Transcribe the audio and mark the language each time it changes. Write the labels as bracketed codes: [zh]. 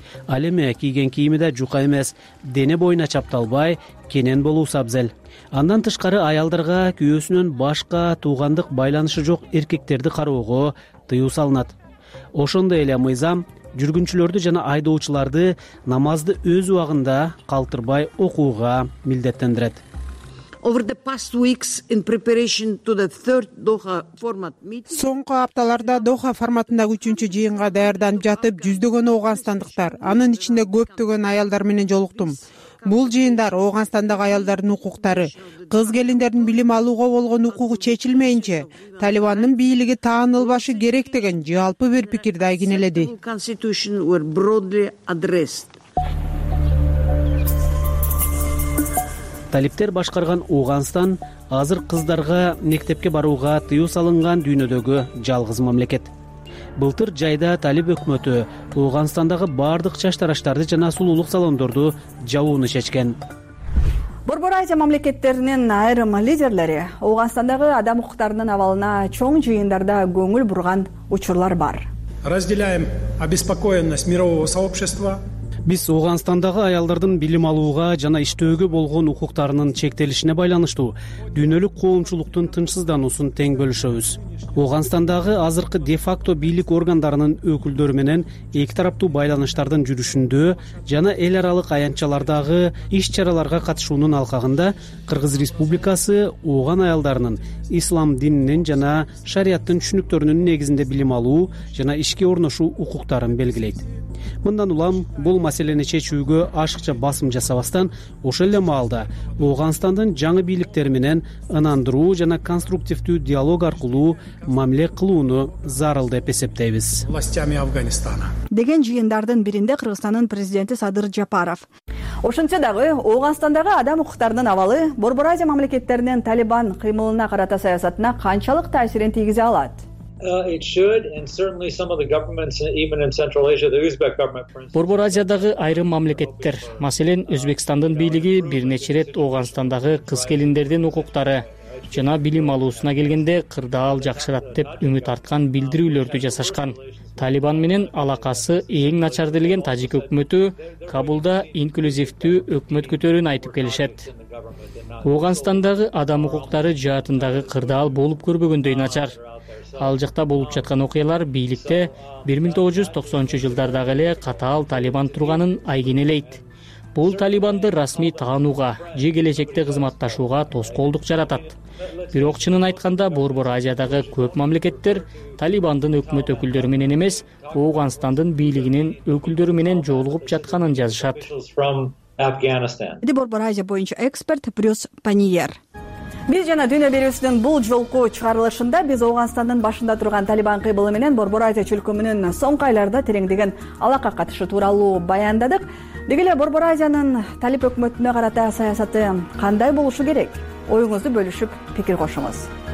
[ky] Ал эми кийген кийими да жука эмес, дене боюна чапталбай, кенен болуусу абзел. Андан тышкары аялдарга күйөөсүнөн башка туугандык байланышы жок эркектерди кароого тыюу салынат. Ошондой эле мыйзам жүргүнчүлөрдү жана айдоочуларды намазды өз убагында калтырбай окууга милдеттендирет. [en] Over the past weeks in preparation to the third Doha format meeting. [ky] Соңку апталарда Doha форматындагы 3-чү жыйынга даярданып жатып, жүздөгөн Ауганстандыктар, анын ичинде көптөгөн аялдар менен жолуктум. Бул жыйындар Ауганстандагы аялдардын укуктары, кыз келиндердин билим алууга болгон укугу чечилмейинче, Талибандын бийлиги таанылбашы керек деген жалпы бир пикирди айгинеледи. [en] Constitution were broadly addressed. [ky] Талиптер башкарган Ауганстан азыр кыздарга мектепке барууга тыюу салынган дүйнөдөгү жалгыз мамлекет. Былтыр жайда талип өкмөтү Ауганстандагы баардык чач тараштарды жана сулуулук салондорду жабууну чечкен. Борбор Азия мамлекеттеринин айрым лидерлери Ауганстандагы адам укуктарынын абалына чоң жыйындарда көңүл бурган учурлар бар. [ru] Разделяем обеспокоенность мирового сообщества. [ky] Биз Ауганстандагы аялдардын билим алууга жана иштөөгө болгон укуктарынын чектелишине байланыштуу дүйнөлүк коомчулуктун тынчсызданусун тең бөлүшөбүз. Ауганстандагы азыркы де-факто бийлик органдарынын өкүлдөрү менен эки тараптуу байланыштардын жүрүшүндө жана эл аралык аянтчалардагы иш-чараларга катышуунун алкагында Кыргыз Республикасы ооган аялдарынын ислам дининин жана шариаттын түшүнүктөрүнүн негизинде билим алуу жана ишке орношуу укуктарын белгилейт. Мындан улам бул маселени чечүүгө ашыкча басым жасабастан, ошол эле маалда Ауганстандын жаңы бийликтери менен ынандыруу жана конструктивдүү диалог аркылуу мамиле кылууну зарыл деп эсептейбиз. [ru] Властями Афганистана. [ky] Деген жыйындардын биринде Кыргызстандын президенти Садыр Жапаров. Ошентсе дагы Ауганстандагы адам укуктарынын абалы Борбор Азия мамлекеттеринин Талибан кыймылына карата саясатына канчалык таасирин тийгизе алат? [en] It should, and certainly some of the governments, even in Central Asia, the Uzbek government, for instance. [ky] Борбор Азиядагы айрым мамлекеттер, маселен Өзбекстандын бийлиги бир нече ирет Ауганстандагы кыз келиндердин укуктары жана билим алуусуна келгенде кырдаал жакшырат деп үмүт арткан билдирүүлөрдү жасашкан. Талибан менен алакасы эң начар делген тажик өкмөтү Кабулда инклюзивдүү өкмөт көтөрүүн айтып келишет. Ауганстандагы адам укуктары жаатындагы кырдаал болуп көрбөгөндөй начар. Ал жакта болуп жаткан окуялар бийликте 1990-жылдардагы эле катаал Талибан турганын айгинелейт. Бул Талибанды расмий таанууга же келечекте кызматташууга тоскоолдук жаратат. Бирок чынын айтканда Борбор Азиядагы көп мамлекеттер Талибандын өкмөт өкүлдөрү менен эмес, Ооганстандын бийлигинин өкүлдөрү менен жолугуп жатканын жазышат. Эди Борбор Азия боюнча эксперт Брюс Паниер. Биз жана дүйнө берүүсүнүн бул жолку чыгарылышында биз Оогандстандын башында турган Талибан кыймылы менен Борбор Азия чөлкөмүнүн соңку айларда тереңдеген алака катышы тууралуу баяндадык. Деги эле Борбор Азиянын Талиб өкмөтүнө карата саясаты кандай болушу керек? Оюңузду бөлүшүп, пикир кошуңуз.